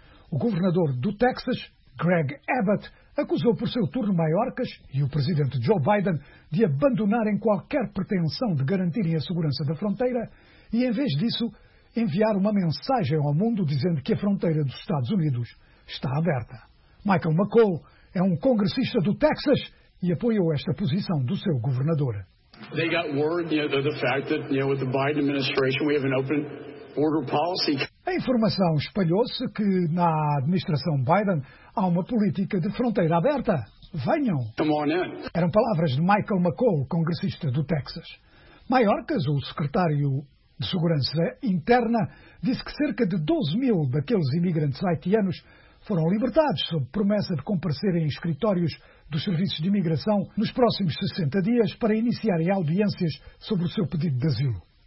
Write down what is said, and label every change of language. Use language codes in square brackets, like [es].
[pt] O governador do Texas, Greg Abbott, acusou por seu turno Mayorkas e o presidente Joe Biden de abandonarem qualquer pretensão de garantirem a segurança da fronteira e, em vez disso, enviar uma mensagem ao mundo dizendo que a fronteira dos Estados Unidos está aberta. Michael McCaul é um congressista do Texas e apoiou esta posição do seu governador. [en] They got word, you know, the fact that, you know, with the Biden administration we have an open border policy. [pt] A informação espalhou-se que na administração Biden há uma política de fronteira aberta. Venham. [en] Come on in. [pt] Eram palavras de Michael McCaul, congressista do Texas. Mayorkas, o secretário de Segurança Interna, disse que cerca de 12 mil daqueles imigrantes haitianos foram libertados sob promessa de comparecer em escritórios dos serviços de imigração nos próximos 60 dias para iniciarem audiências sobre o seu pedido de asilo.